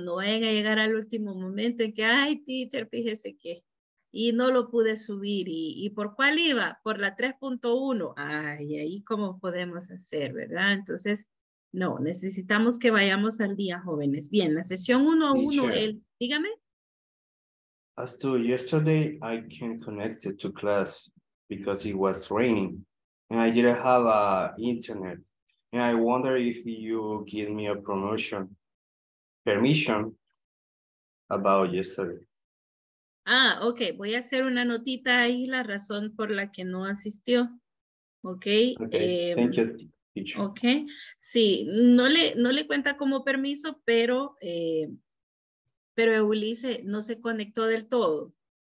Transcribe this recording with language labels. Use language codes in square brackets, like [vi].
[es] No vayan a llegar al último momento en que, ay, teacher, fíjese qué. Y no lo pude subir. ¿Y por cuál iba? Por la 3.1. Ay, ahí cómo podemos hacer, ¿verdad? Entonces, no, necesitamos que vayamos al día, jóvenes. Bien, la sesión 1-1, él, dígame. [en] As to yesterday, I can't connect it to class because it was raining and I didn't have a internet. And I wonder if you give me a permission about yesterday. Ah, okay. [es] Voy a hacer una notita ahí, la razón por la que no asistió. [en] Okay. Thank you, teacher. [es] Okay. Sí, no le cuenta como permiso, pero... Pero Ulises no se conectó del todo.